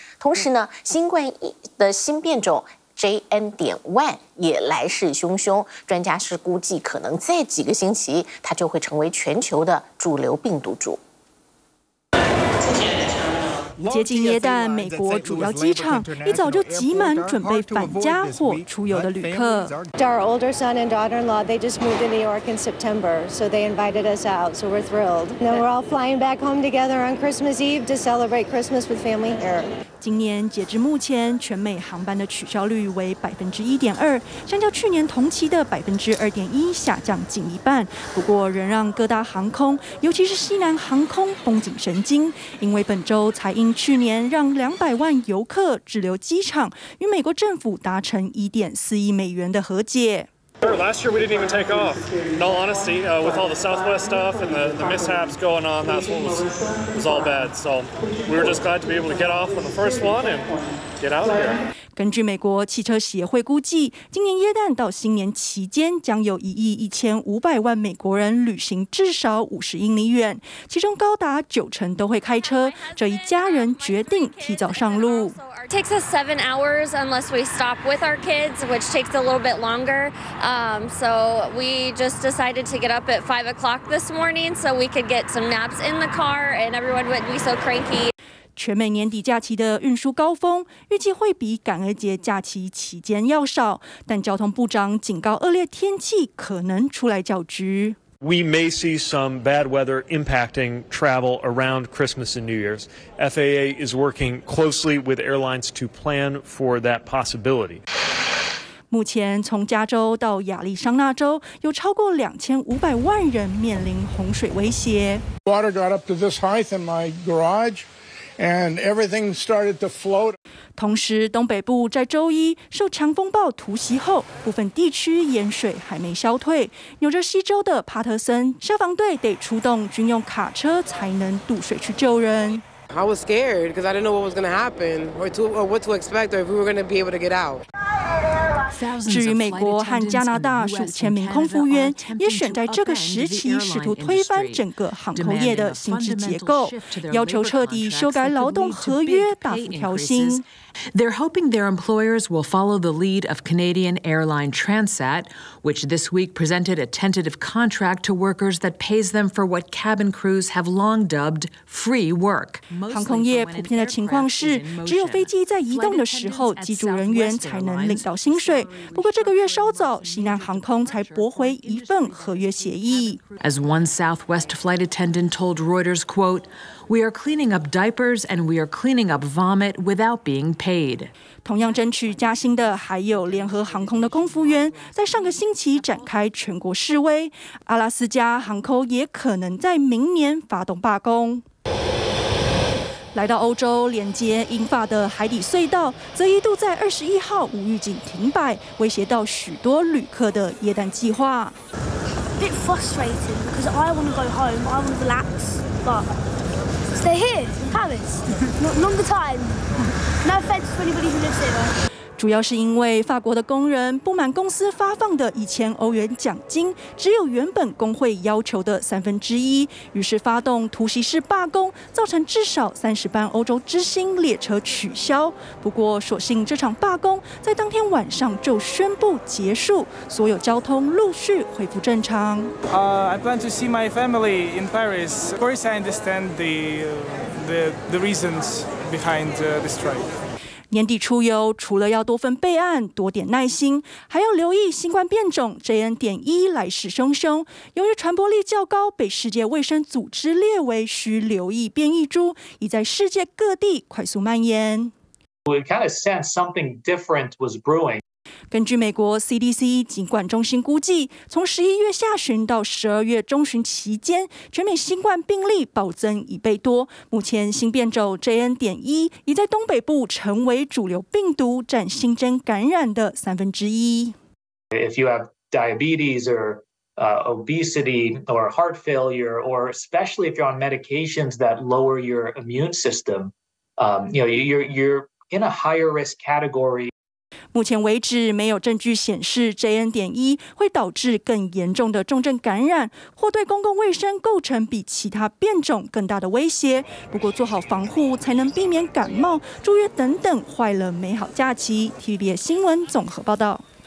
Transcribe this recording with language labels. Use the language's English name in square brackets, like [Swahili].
[Chinese] 同时呢，新冠的新变种JN.1 也来势汹汹，专家是估计可能再几个星期它就会成为全球的主流病毒株。接近耶诞，美国主要机场一早就挤满准备返家或出游的旅客。 [English] Our older son and daughter-in-law, they just moved to New York in September, so they invited us out, so we're thrilled. Now we're all flying back home together on Christmas Eve to celebrate Christmas with family here. [Chinese] 今年截至目前，全美航班的取消率为1.2%，相较去年同期的2.1%下降近一半。不过，仍让各大航空，尤其是西南航空，绷紧神经，因为本周才因去年让200万游客滞留机场，与美国政府达成1.4亿美元的和解。 [English] Last year we didn't even take off. In all honesty, with all the Southwest stuff and the mishaps going on, that's what was all bad. So we were just glad to be able to get off on the first one and get out of here. [Chinese] 根据美国汽车协会估计，今年耶诞到新年期间，将有1.1亿美国人旅行至少50英里远，其中高达90%都会开车。这一家人决定提早上路。 [English] It takes us 7 hours unless we stop with our kids, which takes a little bit longer. So we just decided to get up at 5 o'clock this morning so we could get some naps in the car and everyone wouldn't be so cranky. [Chinese] 全美年底假期的运输高峰预计会比感恩节假期期间要少，但交通部长警告恶劣天气可能出来搅局。 [English] We may see some bad weather impacting travel around Christmas and New Year's. FAA is working closely with airlines to plan for that possibility. [Chinese] 目前从加州到亚利桑那州有超过2500万人面临洪水威胁。 [English] Water got up to this height in my garage. And everything started to float. [Chinese] 同时，东北部在周一受强风暴突袭后，部分地区淹水还没消退。纽泽西州的帕特森消防队得出动军用卡车才能渡水去救人。 [English] I was scared because I didn't know what was going to happen or what to expect or if we were going to be able to get out. [Chinese] 至于美国和加拿大数千名空服员也选在这个时期试图推翻整个航空业的薪资结构，要求彻底修改劳动合约，大幅调薪。 [English] They're hoping their employers will follow the lead of Canadian airline Transat, which this week presented a tentative contract to workers that pays them for what cabin crews have long dubbed free work. [Chinese] 航空业普遍的情况是，只有飞机在移动的时候，机组人员才能领到薪水。不过这个月稍早，西南航空才驳回一份合约协议。 [English] As one Southwest flight attendant told Reuters, quote,We are cleaning up diapers and we are cleaning up vomit without being paid. [Chinese] 同样争取加薪的还有联合航空的空服员，在上个星期展开全国示威。阿拉斯加航空也可能在明年发动罢工。来到欧洲，连接英法的海底隧道则一度在21号无预警停摆，威胁到许多旅客的耶诞计划。 [English] A bit frustrated because I want to go home. I want to relax, but Stay here in Paris. Longer time. No offense to anybody who lives here. [Chinese] 主要是因为法国的工人不满公司发放的1000欧元奖金只有原本工会要求的1/3，于是发动突袭式罢工，造成至少30班欧洲之星列车取消。不过所幸这场罢工在当天晚上就宣布结束，所有交通陆续恢复正常。 [English] I plan to see my family in Paris. Of course, I understand the reasons behind the strike. [Chinese] 年底出游，除了要多份备案、多点耐心，还要留意新冠变种 JN.1 来势汹汹。由于传播力较高，被世界卫生组织列为需留意变异株，已在世界各地快速蔓延。 [English] We kind of sense something different was brewing. [Chinese] 根据美国 CDC 疾管中心估计，从11月下旬到12月中旬期间，全美新冠病例暴增1倍多。目前新变种 JN.1 已在东北部成为主流病毒，占新增感染的1/3。 [English] If you have diabetes or obesity or heart failure, or especially if you're on medications that lower your immune system, you're in a higher risk category. [Chinese] 目前为止，没有证据显示 JN.1 会导致更严重的重症感染，或对公共卫生构成比其他变种更大的威胁。不过，做好防护才能避免感冒、住院等等坏了美好假期。 TVBS 新闻综合报道。